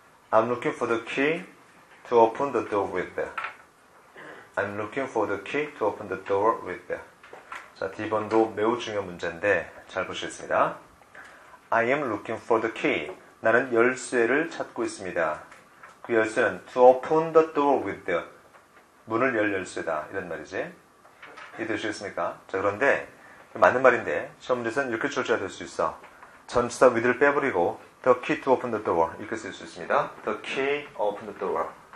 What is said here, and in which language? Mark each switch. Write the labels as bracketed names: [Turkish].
[English] I'm looking for the key to open the door with that. I'm looking for the key to open the door with that. [Korean] 자, 2번도 매우 중요한 문제인데 잘 보시겠습니다. [English] I am looking for the key. [Korean] 나는 열쇠를 찾고 있습니다. 그 열쇠는 [English] to open the door with that. [Korean] 문을 열 열쇠다. 이런 말이지. 이해되시겠습니까? 자, 그런데 맞는 말인데 처음 문제에서는 이렇게 출제가 될 수 있어. 전치사 with를 빼버리고 [English] the key to open the door [Korean] 이렇게 쓸 수 있습니다. [English] the key open the door.